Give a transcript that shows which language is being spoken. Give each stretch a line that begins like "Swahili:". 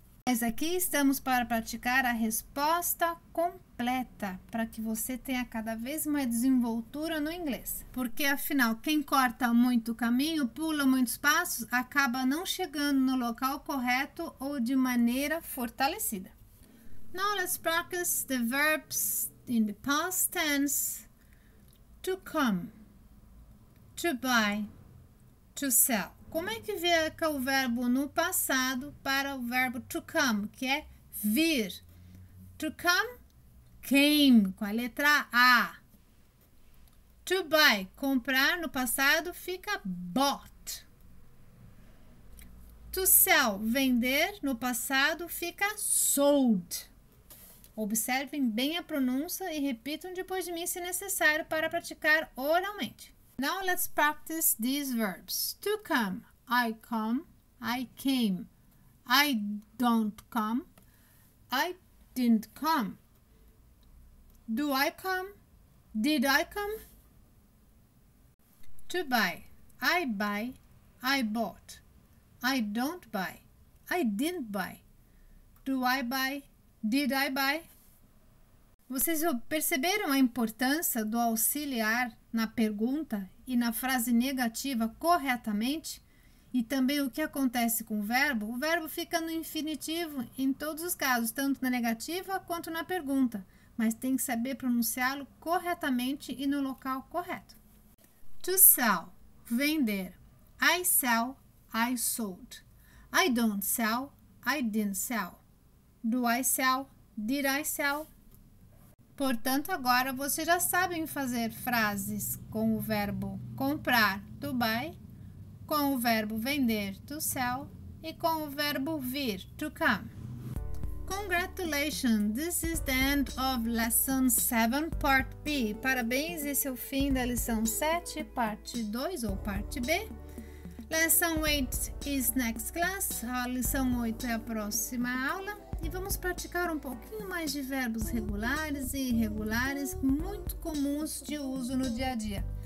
Portuguese: Mas aqui estamos para praticar a resposta completa, para que você tenha cada vez mais desenvoltura no inglês. Porque afinal, quem corta muito o caminho, pula muitos passos, acaba não chegando no local correto ou de maneira fortalecida.
English: Now let's practice the verbs in the past tense. To come, to buy, to sell.
Portuguese: Como é que fica o verbo no passado para o verbo to come, que é vir? To come, came, com a letra A. To buy, comprar, no passado fica bought. To sell, vender, no passado fica sold. Observem bem a pronúncia e repitam depois de mim se necessário para praticar oralmente.
English: Now let's practice these verbs. To come, I came, I don't come, I didn't come. Do I come? Did I come? To buy, I bought, I don't buy, I didn't buy. Do I buy? Did I buy?
Portuguese: Vocês perceberam a importância do auxiliar na pergunta e na frase negativa corretamente? E também o que acontece com o verbo? O verbo fica no infinitivo em todos os casos, tanto na negativa quanto na pergunta. Mas tem que saber pronunciá-lo corretamente e no local correto.
English: To sell, vender. I sell, I sold. I don't sell, I didn't sell. Do I sell, did I sell?
Portuguese: Portanto, agora vocês já sabem fazer frases com o verbo comprar, to buy, com o verbo vender, to sell, e com o verbo vir, to come.
English: Congratulations! This is the end of Lesson 7, Part B.
Portuguese: Parabéns, esse é o fim da Lição 7, Parte 2, ou Parte B.
English: Lesson 8 is next class.
Portuguese: A Lição 8 é a próxima aula. E vamos praticar um pouquinho mais de verbos regulares e irregulares, muito comuns de uso no dia a dia.